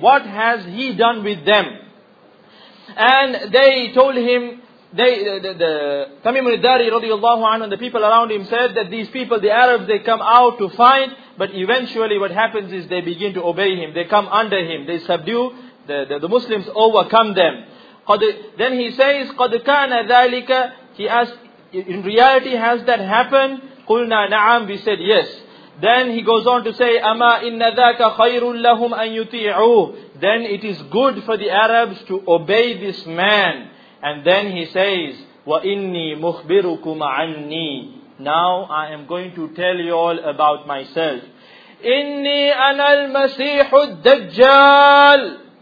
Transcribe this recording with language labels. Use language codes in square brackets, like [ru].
[en] What has he done with them? And they told him, Tamim al-Dari radiallahu anhu and the people around him said that these people, the Arabs, they come out to fight, but eventually what happens is they begin to obey him. They come under him. They subdue the Muslims, overcome them. Then he says, [ar] قَدْ كَانَ ذَلِكَ. [en] He asked, in reality, has that happened? [ar] قُلْنَا نَعَمْ. [en] We said, yes. Then he goes on to say, [ar] أَمَا إِنَّ ذَاكَ خَيْرٌ لَهُمْ أَن يُطِيعُوهُ. [en] Then it is good for the Arabs to obey this man. And then he says, [ar] وَإِنِّي مُخْبِرُكُمْ عَنِّي. [en] Now I am going to tell you all about myself. [ar] إِنِّي أَنَا الْمَسِيحُ الدَّجَّالُ.